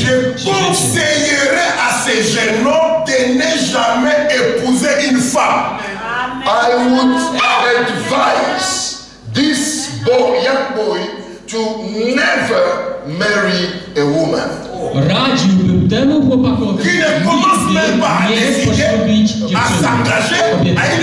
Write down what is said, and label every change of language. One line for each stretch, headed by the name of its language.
French: Je conseillerais à ces jeunes hommes de ne jamais épouser une femme.
English: I would advise this boy, young boy, to never marry a woman.
Polish: Radziłbym temu chłopakowi, nigdy nie poślubić dziewczyny.